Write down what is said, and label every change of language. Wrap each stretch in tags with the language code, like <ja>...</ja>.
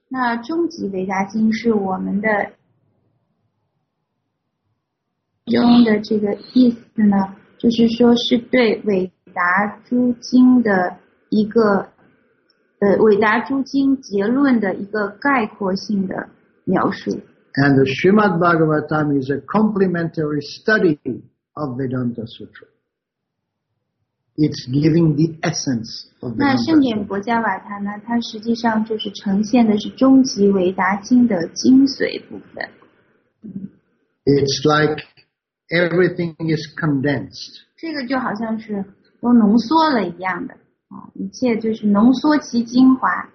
<zh>那终极维达经是我们的用的这个意思呢，就是说是对伟达诸经的一个伟达诸经结论的一个概括性的描述。</zh> <en>And the Srimad Bhagavatam is a complementary study of Vedanta Sutra. It's giving the essence of Vedanta Sutra.</en> <zh>那圣典博伽瓦塔呢，它实际上就是呈现的是终极伟达经的精髓部分。</zh> <en>It's like everything is condensed.</en> <zh>这个就好像是都浓缩了一样的，一切就是浓缩其精华。</zh>